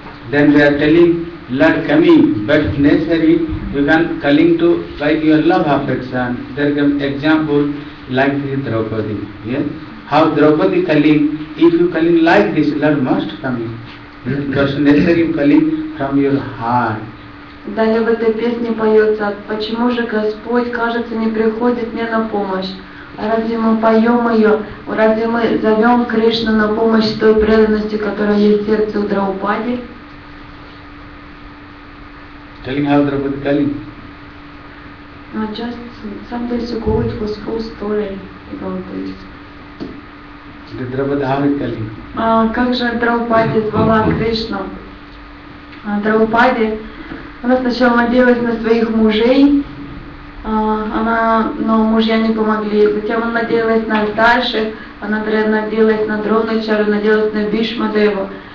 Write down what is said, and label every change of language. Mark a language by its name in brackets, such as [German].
[English] Then they are telling, Lord coming, but necessary, you can calling to like your love affection. There come example like this Draupadi. Yeah? How Draupadi calling, if you calling like this, Lord must coming. Because necessary calling from your heart. [Russian] Далее в этой песне поется, почему же Господь, кажется, не приходит мне на помощь? Разве мы поем ее? Разве мы зовем Кришну на помощь той преданности, которая есть в сердце у Драупади? [English] Telling how Draupadi calling? No, just some days ago it was full story about this. The Draupadi how it calling? [Russian] Как же Драупади звала Кришну? Драупади, она сначала надеялась на своих мужей, но мужья не помогли. Затем она надеялась на старших, она надеялась на Дроначару, надеялась на Бишмадеву.